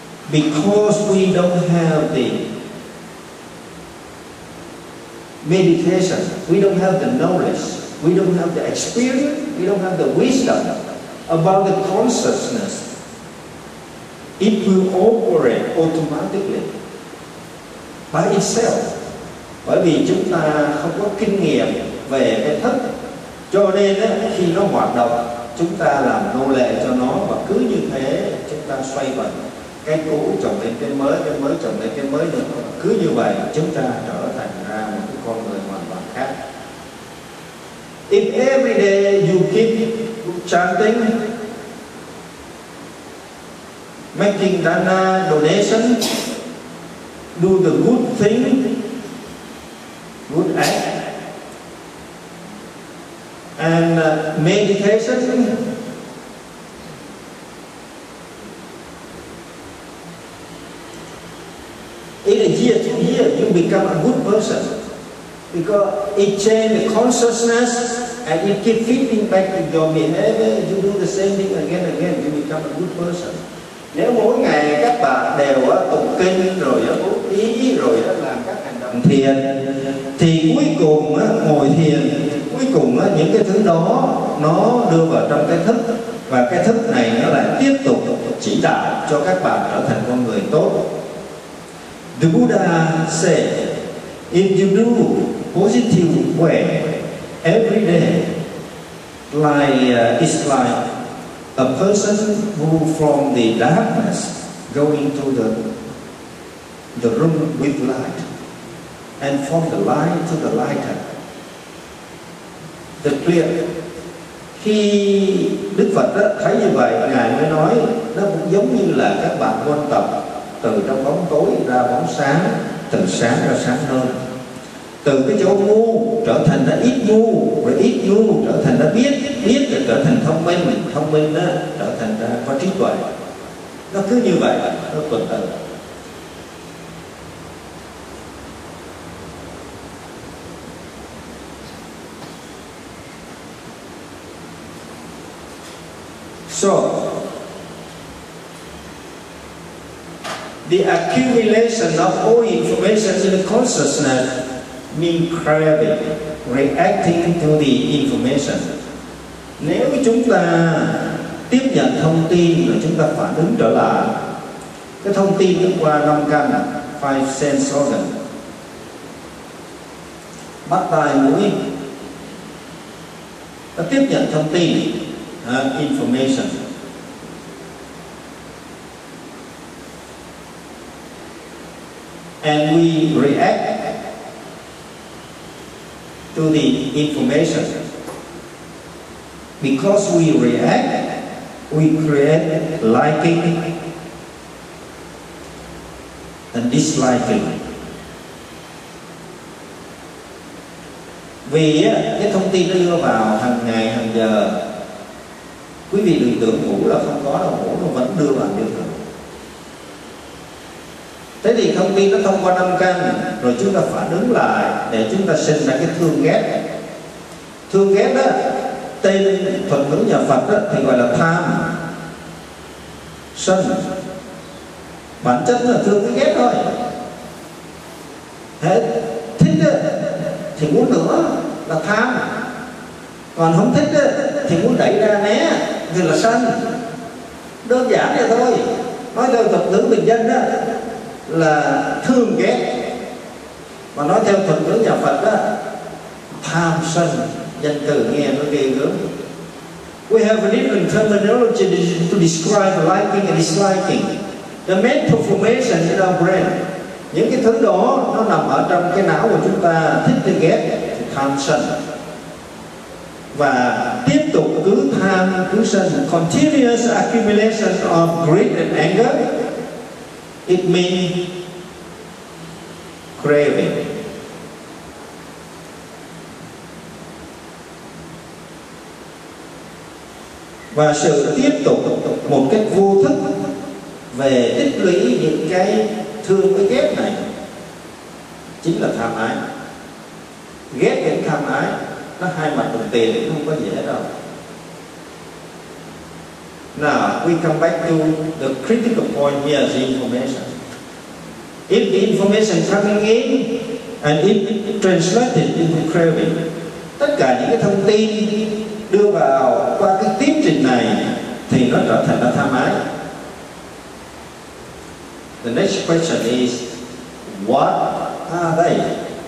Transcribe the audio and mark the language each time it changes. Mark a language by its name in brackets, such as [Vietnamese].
[English] Because we don't have the meditation, we don't have the knowledge, we don't have the experience, we don't have the wisdom about the consciousness, it will operate automatically by itself. [Vietnamese] Bởi vì chúng ta không có kinh nghiệm về cái thức, cho nên khi nó hoạt động, chúng ta làm nô lệ cho nó, và cứ như thế chúng ta xoay vần, cái cũ chồng lên cái mới chồng lên cái mới nữa. Cứ như vậy chúng ta trở thành ra một con người hoàn toàn khác. [English] If every day you keep chanting, making dana donation, do the good thing, good act, and meditation, in a year to year, you become a good person. Because it changed the consciousness, and it keep feeding back to your behavior. You do the same thing again and again, you become a good person. [Vietnamese] Nếu mỗi ngày các bạn đều tụng kinh, rồi bố thí, rồi làm các hành động thiện, thì cuối cùng ngồi thiền, cuối cùng những cái thứ đó nó đưa vào trong cái thức, và cái thức này nó lại tiếp tục chỉ đạo cho các bạn trở thành con người tốt. [English] The Buddha said, if you do positive way every day, it's like a person move from the darkness going to the room with light, and from the light to the lighter, the clear. [Vietnamese] Khi Đức Phật đó thấy như vậy, Ngài mới nói nó cũng giống như là các bạn quan tâm từ trong bóng tối ra bóng sáng, từ sáng ra sáng hơn, từ cái chỗ ngu trở thành nó ít ngu, rồi ít ngu trở thành nó biết, biết rồi trở thành thông minh, mình thông minh đó trở thành ra có trí tuệ. Nó cứ như vậy, nó tuần tự. [English] So the accumulation of all information in the consciousness mean craving, reacting to the information. [Vietnamese] Nếu chúng ta tiếp nhận thông tin và chúng ta phản ứng trở lại, cái thông tin qua năm căn [English] five sense organ. [Vietnamese] Mắt tai mũi ta tiếp nhận thông tin, [English] information. And we react to the information. Because we react, we create liking and disliking. [Vietnamese] Vì cái thông tin nó đưa vào hàng ngày, hàng giờ, quý vị đừng tưởng ngủ là không có đâu, ngủ nó vẫn đưa vào được. Thế thì thông tin nó thông qua năm căn, rồi chúng ta phản ứng lại để chúng ta sinh ra cái thương ghét. Thương ghét đó, tên thuật ngữ nhà Phật đó, thì gọi là tham, sân. Bản chất là thương với ghét thôi. Thế thích đó, thì muốn nữa là tham, còn không thích đó, thì muốn đẩy ra né thì là sân. Đơn giản vậy thôi. Nói theo thuật ngữ bình dân đó là thương ghét, mà nói theo thuật ngữ nhà Phật đó tham sân. Danh từ nghe nó ghê gớm. [English] We have a different terminology to describe liking and disliking. The mental formation in our brain. [Vietnamese] Những cái thứ đó nó nằm ở trong cái não của chúng ta, thích thì ghét, tham sân. Và tiếp tục cứ tham, cứ sân. [English] Continuous accumulation of greed and anger. It means craving. [Vietnamese] Và sự tiếp tục một cách vô thức về tích lũy những cái thương với ghét này chính là tham ái. Ghét đến tham ái nó hai mặt đồng tiền, không có dễ đâu. [English] Now we come back to the critical point here, the information. If the information coming in and if it translated into craving, [Vietnamese] tất cả những cái thông tin đưa vào qua cái tiến trình này thì nó trở thành là tham ái. [English] The next question is, what are they?